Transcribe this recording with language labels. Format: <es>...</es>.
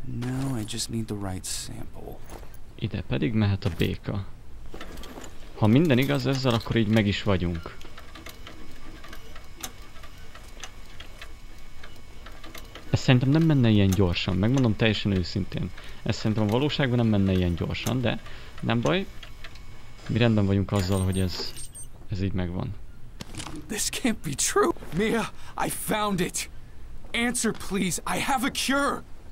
<en>Now I just need the right sample.</en> <hu>Ide pedig mehet a béka. Ha minden igaz ezzel, akkor így meg is vagyunk. Ez szerintem nem menne ilyen gyorsan, megmondom teljesen őszintén. Ez szerintem a valóságban nem menne ilyen gyorsan, de nem baj. Mi rendben vagyunk azzal, hogy ez így megvan.</hu> <en>This can't be true. Mia, I found it. Answer please, I have a cure.</en>